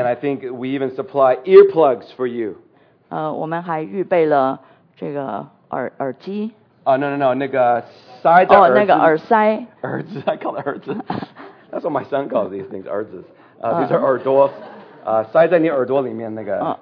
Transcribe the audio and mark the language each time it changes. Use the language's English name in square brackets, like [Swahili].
[English] And I think we even supply earplugs for you. [Chinese] 我们还预备了这个耳机。 No, 那个塞的耳机。那个耳塞。 [English] 耳机 ，I call it 耳机。 That's what my son calls these things, 耳机。 These are [Chinese] 耳朵，塞在你耳朵里面那个。